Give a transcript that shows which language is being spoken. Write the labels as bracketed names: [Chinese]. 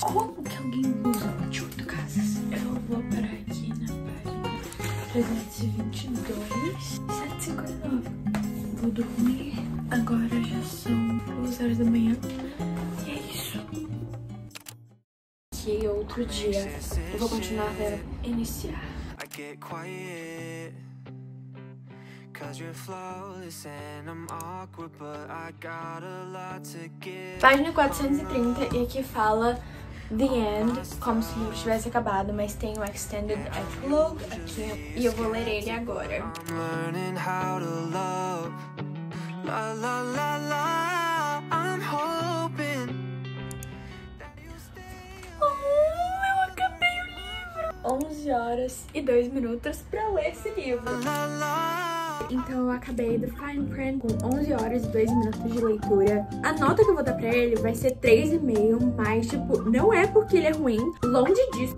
[Portuguese] Como que alguém usa 28 casas? Eu vou parar aqui na página 322. 759. Vou dormir. Agora já são 2 horas da manhã. E é isso. Que outro dia. Eu vou continuar até iniciar. [English] Get quiet, 'cause you're flawless and I'm awkward, but I got a lot to give. [Portuguese] Página 430, e aqui fala The End, como se o livro tivesse acabado, mas tem o Extended Epilogue aqui, e eu vou ler ele agora. [English] I'm learning how to love, la la la la, I'm hoping that you stay. [Portuguese] Oh, eu acabei o livro! 11 horas e 2 minutos pra ler esse livro. La, la, então eu acabei The Fine Print com 11 horas e 2 minutos de leitura. A nota que eu vou dar pra ele vai ser 3,5, mas tipo, não é porque ele é ruim, longe disso.